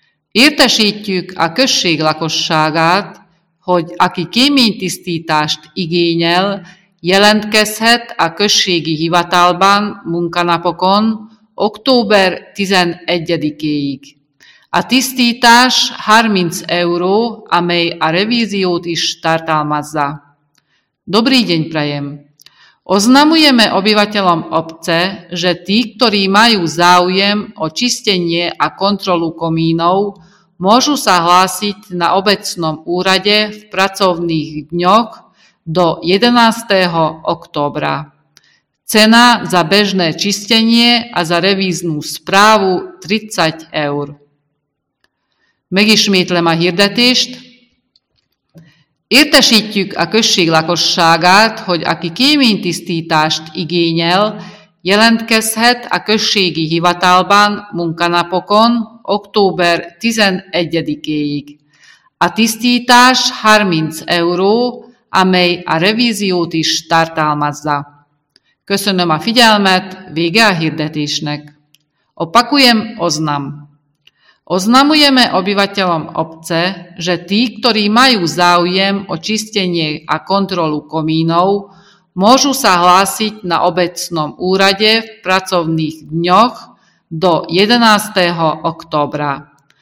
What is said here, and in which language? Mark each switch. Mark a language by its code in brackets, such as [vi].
[hu] Értesítjük a község lakosságát, hogy aki kéménytisztítást igényel, jelentkezhet a községi hivatalban munkanapokon október 11-éig. A tisztítás 30 euró, amely a revíziót is tartalmazza. [sk] Dobrý deň prajem! Oznamujeme obyvateľom obce, že tí, ktorí majú záujem o čistenie a kontrolu komínov, môžu sa hlásiť na obecnom úrade v pracovných dňoch do 11. októbra. Cena za bežné čistenie a za revíznú správu 30 eur. [hu] Megismétlem a hirdetést. Értesítjük a község lakosságát, hogy aki kéménytisztítást igényel, jelentkezhet a községi hivatalban munkanapokon október 11-éig. A tisztítás 30 euró, amely a revíziót is tartalmazza. Köszönöm a figyelmet, vége a hirdetésnek. [sk] Opakujem oznam. Oznamujeme obyvateľom obce, že tí, ktorí majú záujem o čistenie a kontrolu komínov, môžu sa hlásiť na obecnom úrade v pracovných dňoch do 11. októbra.